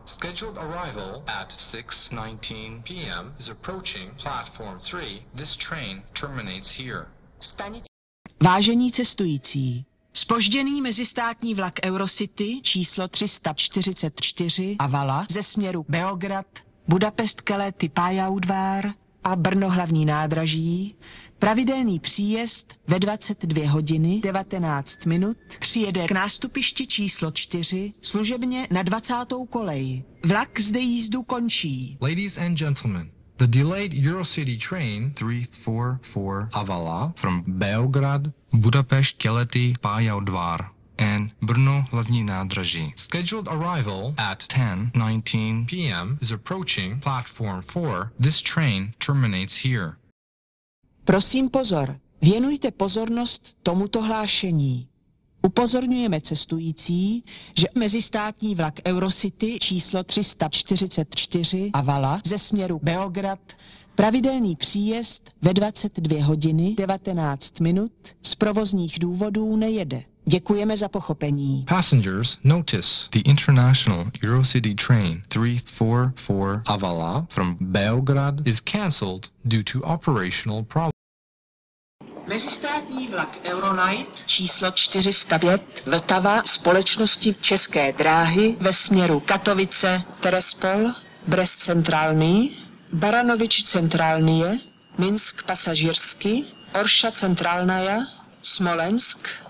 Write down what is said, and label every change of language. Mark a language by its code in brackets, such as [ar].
[en] Scheduled arrival at 6:19 p.m. is approaching platform 3. This train terminates here. [cs] Vážení cestující, zpožděný mezistátní vlak Eurocity číslo 344 Avala ze směru Beograd, Budapest Keleti Pályaudvar a Brno hlavní nádraží. Pravidelný příjezd ve 22 hodiny 19 minut přijede k nástupišti číslo 4 služebně na 20. kolej. Vlak zde jízdu končí. [en] Ladies and gentlemen, the delayed Eurocity train 344 Avala from Beograd, Budapešť Keleti Pályaudvar and Brno hlavní nádraží. Scheduled arrival at 10:19 p.m. is approaching platform 4. This train terminates here. [cs] Prosím pozor, věnujte pozornost tomuto hlášení. Upozorňujeme cestující, že mezistátní vlak Eurocity číslo 344 Avala ze směru Beograd pravidelný příjezd ve 22 hodiny 19 minut z provozních důvodů nejede. Děkujeme za pochopení. [en] Passengers, notice. The international Eurocity train 344 Avala from Beograd is cancelled due to operational problems. [cs] Mezistátní vlak Euronight číslo 405 Vltava společnosti České dráhy ve směru Katovice, Terespol, Brest Centrální, Baranovič Centrálnie, Minsk Pasažírsky, Orša Centrálnaja, Smolensk,